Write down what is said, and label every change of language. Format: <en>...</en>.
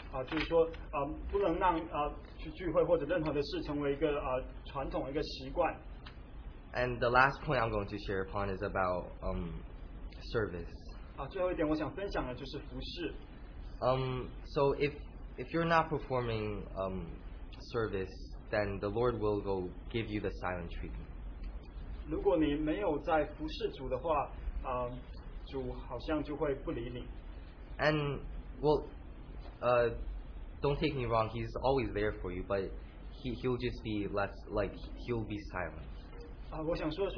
<zh>就是说，不能让聚会或者任何的事成为一个传统，一个习惯。</zh> <en>And the last point I'm going to share upon is about service.</en> <zh>最后一点我想分享的就是服事。</zh> <en>So if you're not performing service, then the Lord will go give you the silent treatment.</en> <zh>如果你没有在服事主的话，主好像就会不理你。</zh> <en>And well, don't take me wrong. He's always there for you, but he'll just be less like he'll be silent.</en>